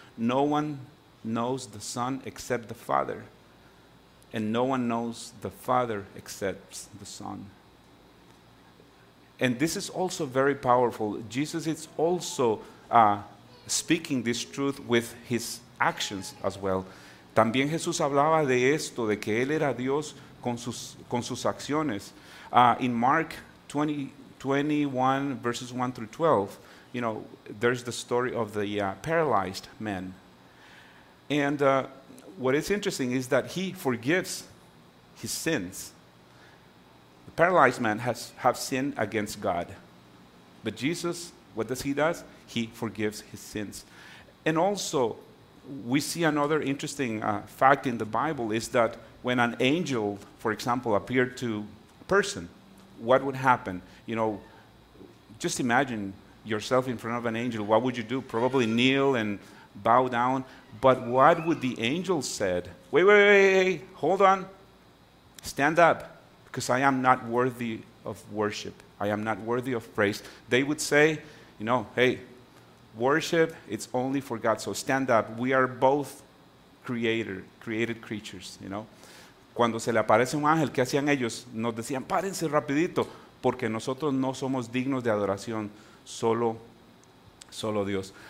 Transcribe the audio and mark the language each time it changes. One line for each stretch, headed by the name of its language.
English: No one knows the Son except the Father, and no one knows the Father except the Son. And this is also very powerful. Jesus is also speaking this truth with his actions as well.
Spanish: También Jesús hablaba de esto, de que él era Dios con sus acciones.
English: In Mark 20:21 verses 1 through 12, you know, there's the story of the paralyzed man. And what is interesting is that he forgives his sins. The paralyzed man has sinned against God. But Jesus, what does he do? He forgives his sins. And also, we see another interesting fact in the Bible is that when an angel, for example, appeared to a person, what would happen? You know, just imagine yourself in front of an angel. What would you do? Probably kneel and bow down. But what would the angel said? Wait, hold on. Stand up, because I am not worthy of worship. I am not worthy of praise. They would say, you know, hey, worship, it's only for God. So stand up. We are both created creatures, you know.
Spanish: Cuando se le aparece un ángel, ¿qué hacían ellos? Nos decían, párense rapidito, porque nosotros no somos dignos de adoración, solo Dios.